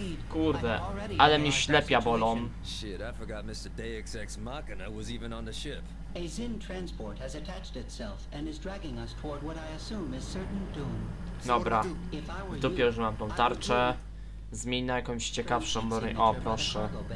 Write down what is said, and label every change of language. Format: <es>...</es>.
<pl>Kurde, ale mi ślepia bolą.</pl> <en>Shit, I forgot Mr. Deus Ex Machina was even on the ship. A Zin transport has attached itself and is dragging us toward what I assume is certain doom.</en> <pl>Dobra, dopiero że mam tą tarczę, zmień na jakąś ciekawszą broń. O proszę.</pl>